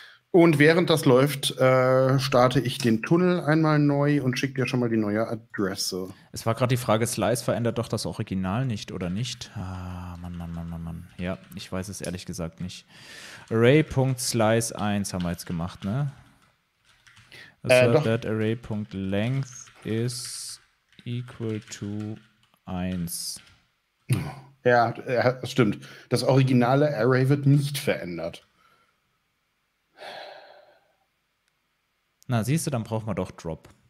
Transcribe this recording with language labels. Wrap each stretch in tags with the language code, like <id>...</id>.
<de>Und während das läuft, starte ich den Tunnel einmal neu und schicke dir schon mal die neue Adresse. Es war gerade die Frage, Slice verändert doch das Original nicht oder nicht? Ah, Mann. Ja, ich weiß es ehrlich gesagt nicht. Array.slice1 haben wir jetzt gemacht, ne? Doch.</de> <en>Array.length is equal to 1.</en> <de>Ja, stimmt. Das originale Array wird nicht verändert. Na, siehst du, dann brauchen wir doch Drop.</de>